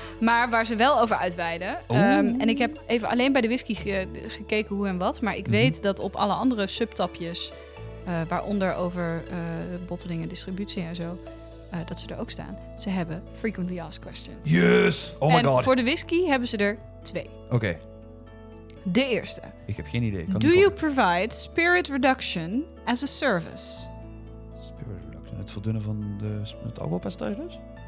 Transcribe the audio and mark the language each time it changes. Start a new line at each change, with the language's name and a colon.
Dutch: Maar waar ze wel over uitweiden. En ik heb even alleen bij de whisky gekeken hoe en wat. Maar ik weet dat op alle andere subtapjes, waaronder over bottling en distributie en zo, dat ze er ook staan. Ze hebben
English: frequently asked questions. Yes! Oh my god.
Dutch: En voor de whisky hebben ze er 2. Oké. De eerste. Ik heb geen idee.
English: Do you provide spirit reduction as a service? Spirit reduction.
Dutch: Het verdunnen van het alcoholpercentage dus?